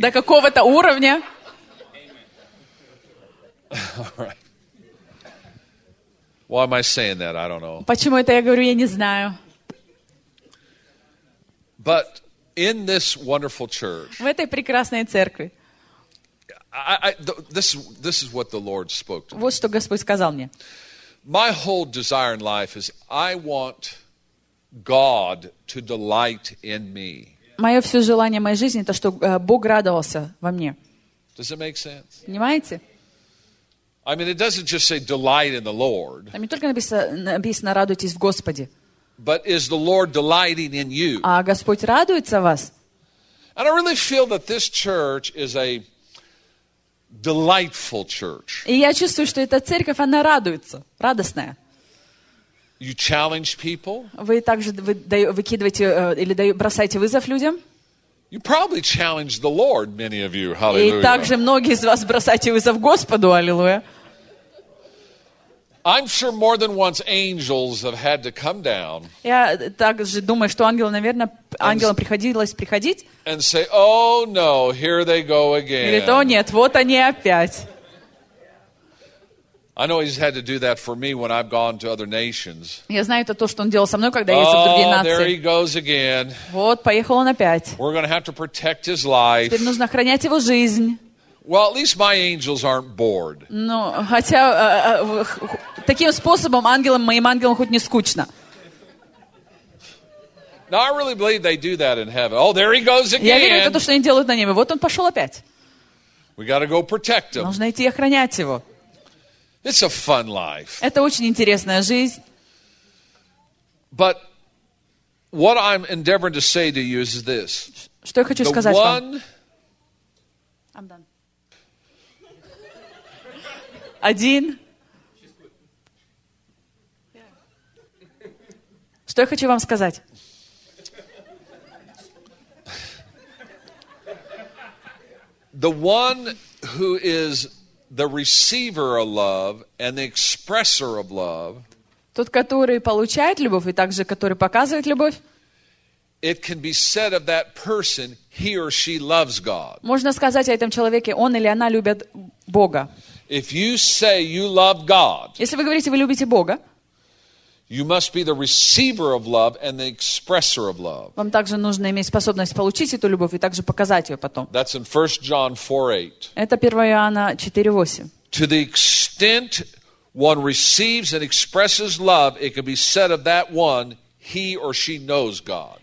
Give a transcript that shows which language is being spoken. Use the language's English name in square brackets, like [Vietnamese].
[Russian] До какого-то уровня. [English] All right. Why am I saying that? I don't know. [Russian] Почему это я говорю, я не знаю. [English] But in this wonderful church. [Russian] В этой прекрасной церкви. [English] This is what the Lord spoke to me. [Russian] Вот что Господь сказал мне. [English] My whole desire in life is I want God to delight in me. [Russian] Мое все желание моей жизни то, что Бог радовался во мне. [English] Does it make sense? [Russian] Понимаете? [English] I mean, it doesn't just say delight in the Lord. [Russian] Там не только написано радуйтесь в Господе. [English] But is the Lord delighting in you? [Russian] А Господь радуется вас? [English] And I really feel that this church is a delightful church. [Russian] И я чувствую, что эта церковь, она радуется, радостная. [English] You challenge people? [Russian] Вы также выкидываете или бросаете вызов людям? [English] You probably challenge the Lord, many of you. Hallelujah. [Russian] И также многие из вас бросаете вызов Господу. Аллилуйя. [English] I'm sure more than once angels have had to come down. [Russian] Я также думаю, что ангелы, наверное, ангелам приходилось приходить. [English] And say, "Oh no, here they go again." [Russian] Или то нет, вот они опять. [English] I know he's had to do that for me when I've gone to other nations. [Russian] Я знаю, это то, что он делал со мной, когда я ездил в другие нации. [English] Oh, there he goes again. [Russian] Вот поехал он опять. [English] We're going to have to protect his life. [Russian] Теперь нужно охранять его жизнь. [English] Well, at least my angels aren't bored. [Russian] Ну, хотя таким способом ангелам, моим ангелам хоть не скучно. [English] No, I really believe they do that in heaven. Oh, there he goes again. [Russian] Я верю, это то, что они делают на небе. Вот он пошел опять. [English] We got to go protect him. [Russian] Нужно идти и охранять его. [English] It's a fun life. [Russian] Это очень интересная жизнь. [English] But what I'm endeavoring to say to you is this. [Russian] Что я хочу сказать вам? Один. Что я хочу вам сказать? [English] The one who is the receiver of love and the expresser of love. [Russian] Тот, который получает любовь и также который показывает любовь. [English] It can be said of that person, he or she loves God. [Russian] Можно сказать о этом человеке, он или она любит Бога. [English] If you say you love God, [Russian] если вы говорите, вы любите Бога, [English] you must be the receiver of love and the expresser of love. [Russian] Вам также нужно иметь способность получить эту любовь и также показать ее потом. [English] That's in 1 John 4:8. [Russian] Это 1 Иоанна 4:8. [English] To the extent one receives and expresses love, it can be said of that one, he or she knows God.